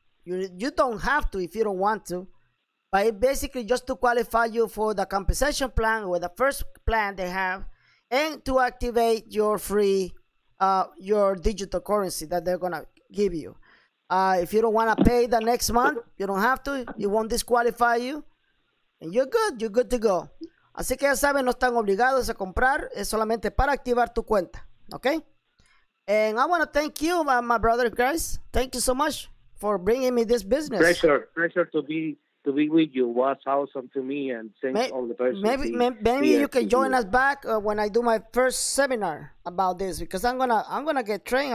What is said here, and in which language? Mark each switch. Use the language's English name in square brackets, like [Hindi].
[English] You don't have to if you don't want to. But it basically just to qualify you for the compensation plan or the first plan they have, and to activate your free, your digital currency that they're gonna give you. If you don't wanna pay the next month, you don't have to. It won't disqualify you, and you're good. You're good to go. [Spanish] Así que ya saben, no están obligados a comprar, es solamente para activar tu cuenta, okay? [English] And I want to thank you, my brother, guys. Thank you so much for bringing me this business. Pleasure to be with you. Was awesome to me, and thank all the person. Maybe you can join us back when I do my first seminar about this, because I'm gonna get trained.